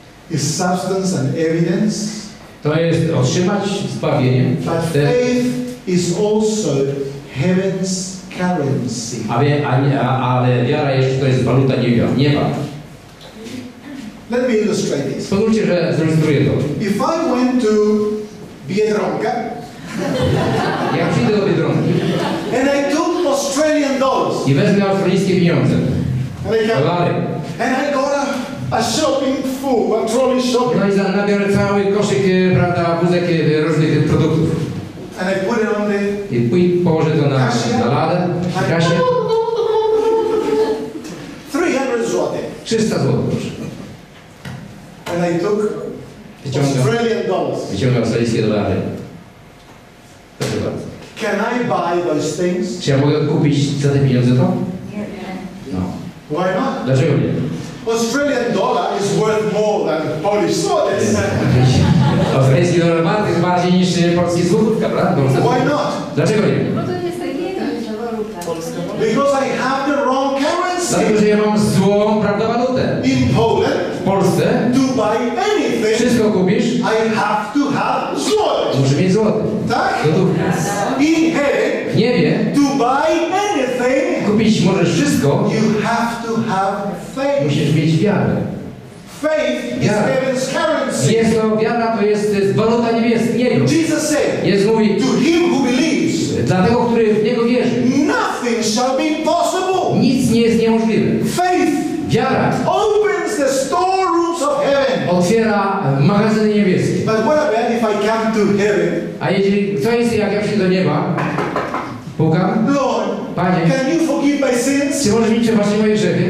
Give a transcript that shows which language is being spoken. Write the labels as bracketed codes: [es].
[en] Is substance and evidence. [pl] To jest otrzymać zbawienie. [en] But faith is also heaven's currency. [pl] Ale wiara jeszcze to jest waluta nieba. [en] Let me illustrate this. [pl] Pozwólcie, że zilustruję to. [en] If I went to Biedronka. [pl] Ja przyjdę do Biedronki. [en] And I took Australian dollars. [pl] I wezmę australijskie pieniądze. Dolary. [en] And I got a shopping full, a trolley shopping. [pl] No i nabiorę cały koszyk, prawda, wózek różnych produktów. [en] And I put it on the. [pl] I położę to na ladę. Kasie. 300 złotych. 300 złotych, proszę. [en] And I took Australian dollars. [pl] Wyciągnę australijskie dolary. [en] Can I buy those things? [pl] Czy ja mogę kupić za te pieniądze to? Nie. [en] No. Why not? [pl] Dlaczego nie? [en] Australian dollar is worth more than Polish zlotys. [pl] Australijski dolar jest bardziej niż polski złotówka, prawda? [en] Why not? [pl] Dlaczego nie? Bo to jest taki jeden waluta. [en] Because I have the wrong currency. [pl] Dlatego, że ja mam złą, prawda, walutę. [en] In Poland. [pl] W Polsce. [en] To buy anything, [pl] wszystko kupisz. [en] I have to have złoty. [pl] Muszę mieć złoty. Tak? Złotówkę. [en] In heaven. [pl] W niebie. [en] To buy anything, [pl] kupić możesz wszystko. [en] You have to have faith. [pl] Musisz mieć wiarę. [en] Faith is heaven's currency. [pl] Jest to wiara, to jest waluta niebieska. [en] Jesus said. [pl] Jezus mówi. [en] To him who believes. [pl] Dla tego, który w niego wierzy. [en] Nothing shall be possible. [pl] Nic nie jest niemożliwe. [en] Faith. [pl] Wiara. [en] The storerooms of heaven. [pl] Otwiera magazyny niebieskie. [en] But what about if I come to heaven? [pl] A jeśli co jest, jak ja przyjdę do nieba? Pukam. [en] Lord, [pl] Panie, [en] can you forgive my sins? [pl] Czy możesz mi przebaczyć moje grzechy?